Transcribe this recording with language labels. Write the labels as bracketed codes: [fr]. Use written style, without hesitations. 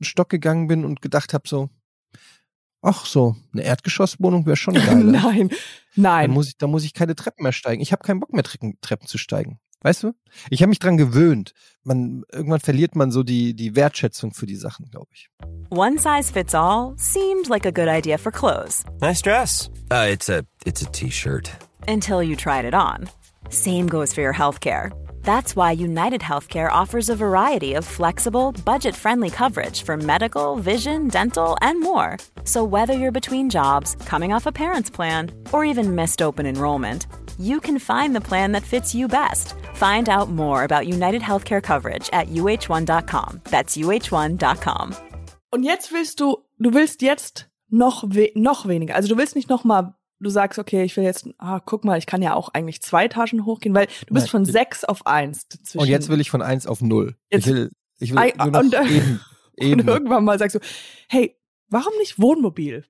[de] Stock gegangen bin und gedacht habe so, ach so, eine Erdgeschosswohnung wäre schon geil. Nein, nein. Da muss ich keine Treppen mehr steigen. Ich habe keinen Bock mehr, Treppen zu steigen. Weißt du? Ich habe mich dran gewöhnt. Irgendwann verliert man so die Wertschätzung für die Sachen, glaube ich. [en] One size fits all seemed like a good idea for clothes. Nice dress. It's a T-shirt. Until you tried it on. Same goes for your healthcare. That's why UnitedHealthcare offers a variety of flexible, budget-friendly coverage for medical, vision, dental, and more. So whether you're between jobs, coming off a parent's plan, or even missed open enrollment, you can find the plan that fits you best. Find out more about UnitedHealthcare coverage at UH1.com. That's UH1.com. [de] Und jetzt willst du willst jetzt noch weniger. Also du willst nicht noch mal... Du sagst, okay, ich will jetzt, guck mal, ich kann ja auch eigentlich 2 Etagen hochgehen, weil du bist von 6 auf 1 dazwischen. Und jetzt will ich von 1 auf 0. Und irgendwann mal sagst du, hey, warum nicht Wohnmobil?